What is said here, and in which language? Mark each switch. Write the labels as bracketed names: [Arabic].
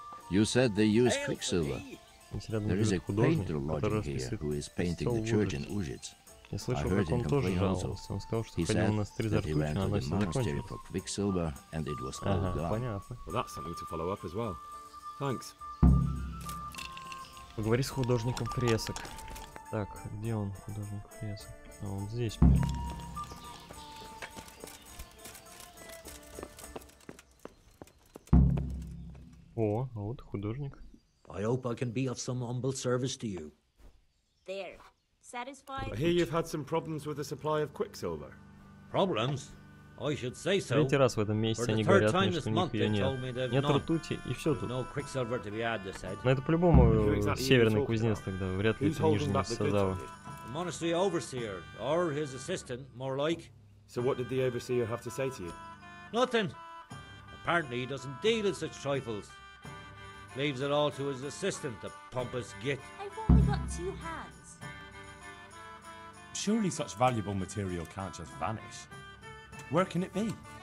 [English] You said they use quicksilver. There is a painter lodging here who is painting the church in Ужиц. I heard him complain also. He said that he went to the monastery for quicksilver and it was all gone. Well, that's something to follow up as well. Thanks. [Russian] Поговори с художником фресок. Так, где он, художник фресок? А, он здесь, блин. О, а вот художник. [English] I hope I can be of some humble service to you. There. Satisfied? I hear you've had some problems with the supply of quicksilver. Problems? I should say so. [Russian] Третий раз в этом месяце они говорят мне, что у них ее нет. Нет ртути, и все тут. Но это по-любому северный кузнец тогда, вряд ли это нижний из Сазава. [English] Monastery overseer, or his assistant, more like. So what did the overseer have to say to you? Nothing. Apparently he doesn't deal in such trifles. Leaves it all to his assistant, the pompous git. I've only got two hands. Surely such valuable material can't just vanish. Where can it be?